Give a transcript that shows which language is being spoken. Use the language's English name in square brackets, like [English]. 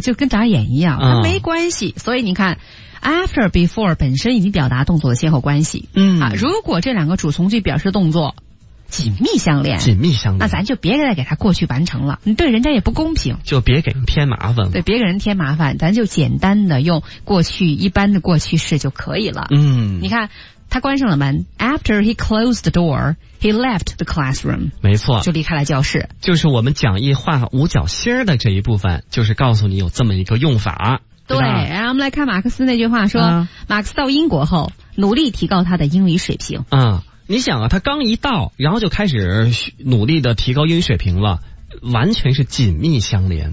[Chinese] 就跟眨眼一样，它没关系、所以你看 after before 本身已经表达动作的先后关系，嗯啊，如果这两个主从句表示动作紧密相连，那咱就别再给它过去完成了，你对人家也不公平，就别给人添麻烦了。对，别给人添麻烦，咱就简单的用过去一般的过去式就可以了。嗯，你看他关上了门， [English] after he closed the door he left the classroom， [Chinese] 没错，就离开了教室。就是我们讲义画五角星的这一部分就是告诉你有这么一个用法。对，然后我们来看马克思那句话说、马克思到英国后努力提高他的英语水平。你想啊，他刚一到然后就开始努力的提高英语水平了，完全是紧密相连。